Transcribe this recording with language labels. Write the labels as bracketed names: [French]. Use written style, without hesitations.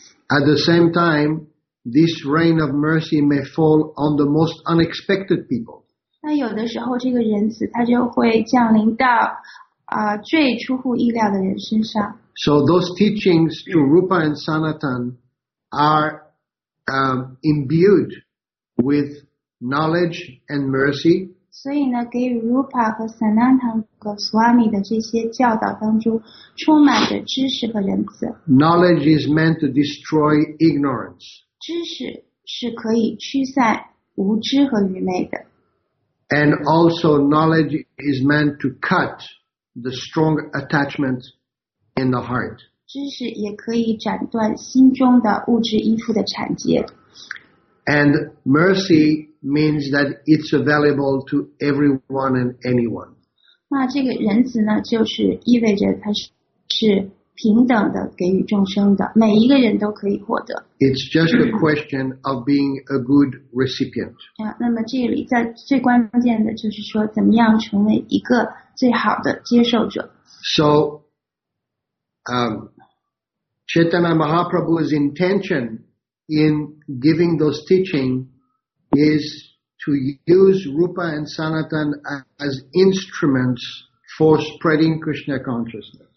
[English] At the same time, this rain of mercy may fall on the most unexpected people. [Chinese] 那有的时候这个仁慈它就会降临到最出乎意料的人身上。 [English] So those teachings to Rupa and Sanatan are imbued with knowledge and mercy. [Chinese] 所以呢给予 Rupa 和 Sanatan Goswami 的这些教导当中充满着知识和仁慈。 [English] Knowledge is meant to destroy ignorance. [Chinese] 知识是可以驱散无知和愚昧的。 [English] And also knowledge is meant to cut the strong attachment in the heart. [Chinese] 知识也可以斩断心中的物质依附的缠结。 [English] And mercy means that it's available to everyone and anyone. [Chinese] 那这个仁慈呢，就是意味着它是平等的给予众生的，每一个人都可以获得。 [English] It's just a question of being a good recipient. [Chinese] 啊，那么这里在最关键的就是说，怎么样成为一个最好的接受者。 [English] So, Chaitanya Mahaprabhu's intention in giving those teaching is to use Rupa and Sanatan as instruments for spreading Krishna consciousness.